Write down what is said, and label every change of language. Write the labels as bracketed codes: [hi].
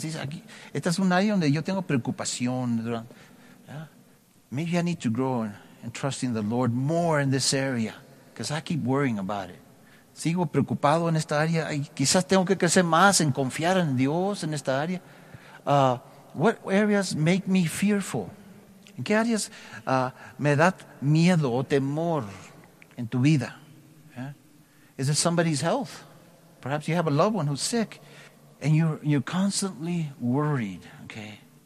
[es] Dice aquí, esta es un área donde yo tengo preocupación. ¿Ya? [en] Maybe I need to grow and trust in the Lord more in this area. Because I keep worrying about it. [es] Sigo preocupado en esta área. Ay, quizás tengo que crecer más en confiar en Dios en esta área. [en] What areas make me fearful? [es] ¿En qué áreas me da miedo o temor en tu vida? [en] Yeah. Is it somebody's health? Perhaps you have a loved one who's sick and you're constantly worried, okay?